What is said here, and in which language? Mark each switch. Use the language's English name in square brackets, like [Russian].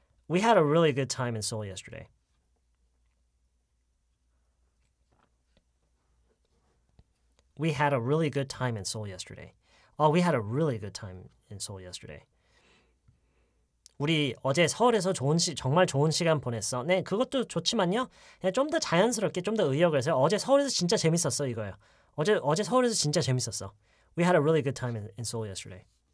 [English] We had a really good time in Seoul yesterday. We had a really good time in Seoul yesterday. Oh, we had a really good time in Seoul yesterday. [Korean] 우리 어제 서울에서 정말 좋은 시간 보냈어. 네, 그것도 좋지만요. 좀 더 자연스럽게, 좀 더 의역을 해서 어제 서울에서 진짜 재밌었어, 이거예요. 어제 서울에서 진짜 재밌었어. [English] We had a really good time in Seoul yesterday.